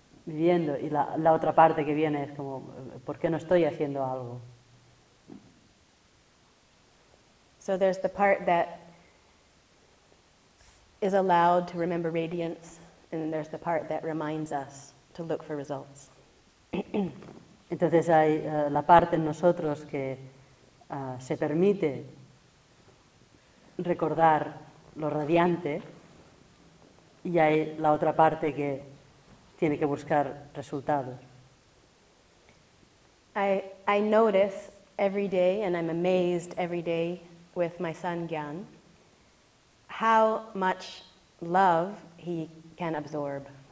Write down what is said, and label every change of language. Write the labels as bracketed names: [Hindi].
[Spanish] y la otra parte que viene es como, ¿por qué no estoy haciendo algo? [English] So there's the part that is allowed to remember radiance, and then there's the part that reminds us to look for results. [Spanish] Entonces hay la parte en nosotros que se permite recordar lo radiante y hay la otra parte que tiene que buscar resultados. [English] I notice every day, and I'm amazed every day with my son Gyan, how much love he can absorb.